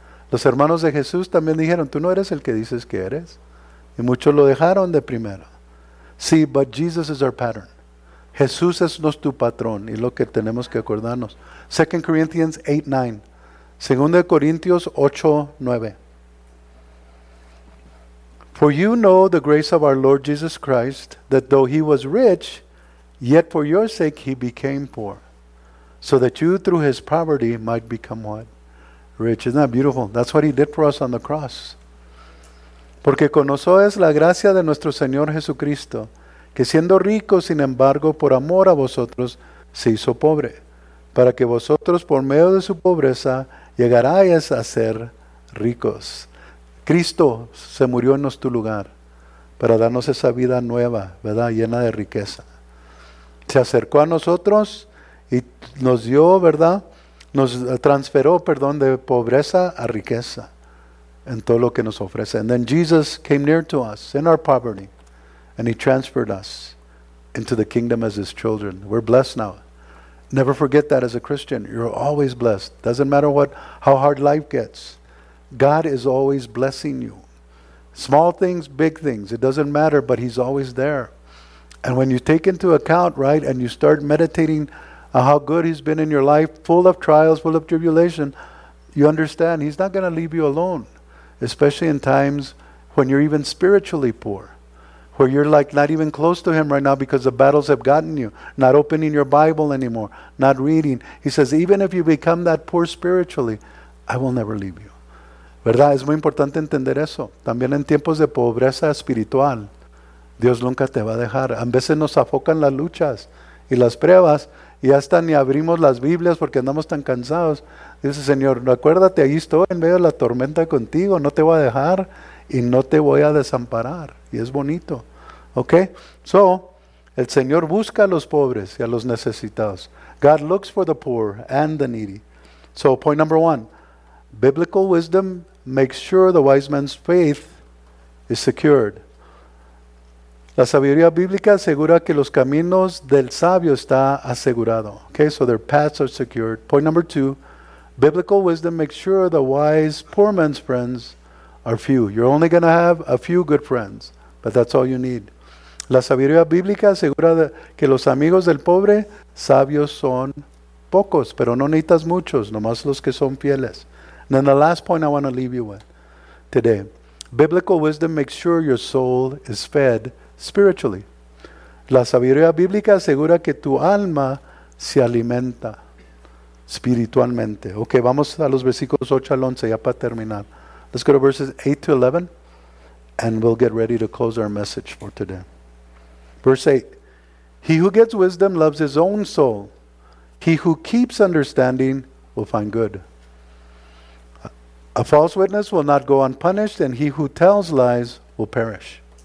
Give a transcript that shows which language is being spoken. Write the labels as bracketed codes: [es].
[es] Los hermanos de Jesús también dijeron, "Tú no eres el que dices que eres." Y muchos lo dejaron de primero. [en] See, but Jesus is our pattern. [es] Jesús es nuestro patrón y lo que tenemos que acordarnos. [en] 2 Corinthians 8:9. [es] 2 Corintios 8:9. [en] For you know the grace of our Lord Jesus Christ, that though he was rich, yet for your sake he became poor, so that you through his poverty might become what? Rich. Isn't that beautiful? That's what he did for us on the cross. [es] Porque conoció es la gracia de nuestro Señor Jesucristo, que siendo rico, sin embargo, por amor a vosotros, se hizo pobre, para que vosotros, por medio de su pobreza, llegarais a ser ricos. Cristo se murió en nuestro lugar para darnos esa vida nueva, ¿verdad? Llena de riqueza. Se acercó a nosotros y nos dio, ¿verdad? Nos transferó, perdón, de pobreza a riqueza en todo lo que nos ofrece. [en] And then Jesus came near to us in our poverty and he transferred us into the kingdom as his children. We're blessed now. Never forget that as a Christian. You're always blessed. Doesn't matter what, how hard life gets. God is always blessing you. Small things, big things, it doesn't matter, but he's always there. And when you take into account, right, and you start meditating on how good he's been in your life, full of trials, full of tribulation, you understand he's not going to leave you alone, especially in times when you're even spiritually poor, where you're like not even close to him right now because the battles have gotten you, not opening your Bible anymore, not reading. He says, even if you become that poor spiritually, I will never leave you. [es] ¿Verdad? Es muy importante entender eso. También en tiempos de pobreza espiritual, Dios nunca te va a dejar. A veces nos afocan las luchas y las pruebas y hasta ni abrimos las Biblias porque andamos tan cansados. Dice, Señor, acuérdate, ahí estoy en medio de la tormenta contigo. No te voy a dejar y no te voy a desamparar. Y es bonito. ¿Ok? So, el Señor busca a los pobres y a los necesitados. [en] God looks for the poor and the needy. So, point number one. Biblical wisdom makes sure the wise man's faith is secured. [es] La sabiduría bíblica asegura que los caminos del sabio está asegurado. [en] Okay, so their paths are secured. Point number two, biblical wisdom makes sure the wise poor man's friends are few. You're only going to have a few good friends, but that's all you need. [es] La sabiduría bíblica asegura que los amigos del pobre sabios son pocos, pero no necesitas muchos, nomás los que son fieles. [en] And then the last point I want to leave you with today. Biblical wisdom makes sure your soul is fed spiritually. [es] La sabiduría bíblica asegura que tu alma se alimenta espiritualmente. Okay, vamos a los versículos 8 al 11 ya para terminar. [en] Let's go to verses 8 to 11 and we'll get ready to close our message for today. Verse 8. He who gets wisdom loves his own soul. He who keeps understanding will find good. A false witness will not go unpunished, and he who tells lies will perish.